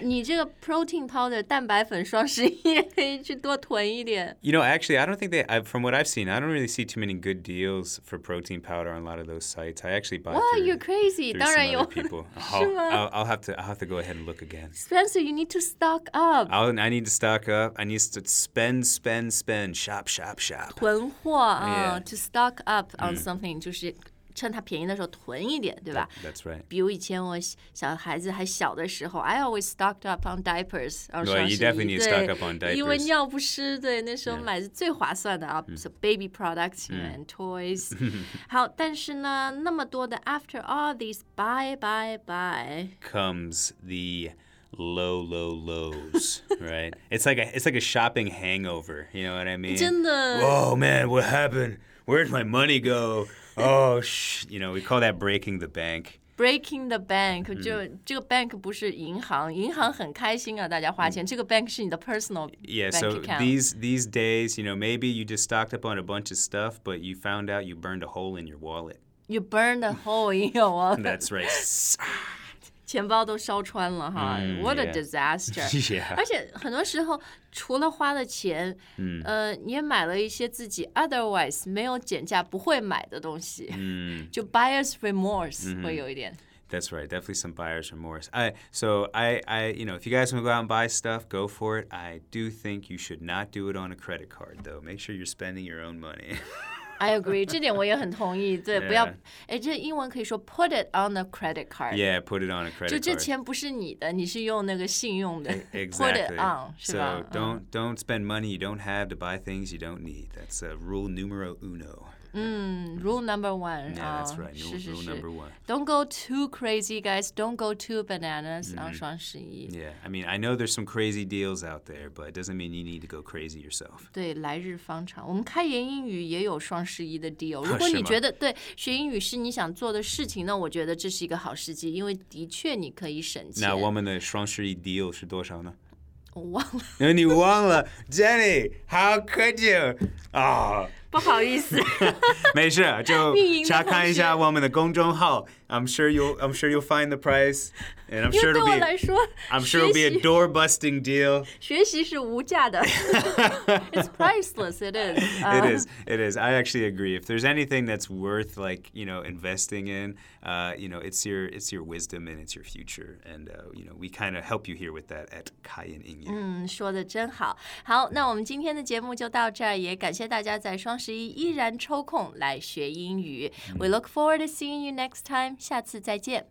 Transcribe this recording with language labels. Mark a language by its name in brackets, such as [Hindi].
[Chinese] 你这个 protein powder 蛋白粉双十一可以去多囤一点。 [English] You know, actually, I don't think they. From what I've seen, I don't really see too many good deals for protein powder on a lot of those sites. I actually buy. Wow, you're crazy. 当然有。 I'll have to go ahead and look again. Spencer, you need to stock up. I need to stock up. I need to spend, shop. [Chinese] 囤货啊、 [English] yeah. To stock up on something [Chinese] 就是。趁它便宜的时候囤一点，对吧 [English] ？That's right. [Chinese] 比如以前我小孩子还小的时候 ， [English] I always stocked up on diapers. Right, you definitely need to stock up on diapers. [Chinese] 因为尿不湿，对，那时候买是最划算的啊。 [English] Yeah. So baby products and toys. [Chinese] 好，但是呢，那么多的 [English] after all these buy comes the lows, right? It's like a shopping hangover. You know what I mean? [Chinese] 真的。 [English] Oh man, what happened? Where'd my money go? you know, we call that breaking the bank. Breaking the bank. [Chinese] 就这个 bank 不是银行，银行很开心啊，大家花钱。这个 bank 是你的 [English] personal bank account. Yeah, so these days, you know, maybe you just stocked up on a bunch of stuff, but you found out you burned a hole in your wallet. You burned a hole in your wallet. That's right. [Chinese] 钱包都烧穿了哈。 [English] What a disaster. Yeah. [Chinese] 而且很多时候除了花了钱你也买了一些自己 otherwise 没有减价不会买的东西。就 buyer's remorse 会有一点。 [English] That's right, definitely some buyer's remorse. So I, you know, if you guys want to go out and buy stuff, go for it. I do think you should not do it on a credit card, though. Make sure you're spending your own money. I agree, [Chinese] 这点我也很同意。对， [English] yeah. [Chinese] 不要，哎，这英文可以说 [English] put it on a credit card. Yeah, put it on a credit card. [Chinese] 就这钱不是你的，你是用那个信用的。 [English] Exactly. Put it on, [Chinese] 是吧？ [English] So don't spend money you don't have to buy things you don't need. That's rule numero uno. Rule number one. Yeah, that's right. Rule number one. Don't go too crazy, guys. Don't go too bananas on 双十一. Yeah, I mean, I know there's some crazy deals out there, but it doesn't mean you need to go crazy yourself. [Chinese] 对，来日方长。我们开言英语也有双十一的 deal. 如果你觉得对学英语是你想做的事情，那我觉得这是一个好时机，因为的确你可以省钱。那我们的双十一 deal 是多少呢？我忘了。那你忘了 [English] ，Jenny? How could you? Oh. [Chinese] 不好意思没事就查看一下我们的公众号 [English] I'm sure you'll find the price and I'm sure it'll be a door busting deal [Chinese] 学习是无价的 [English] It's priceless it is. It is I actually agree if there's anything that's worth like you know investing in you know it's your wisdom and it's your future and you know we kind of help you here with that at Kai and Ying [Chinese] 说的真好好那我们今天的节目就到这儿也感谢大家在双十一依然抽空来学英语 [English] We look forward to seeing you next time [Chinese] 下次再见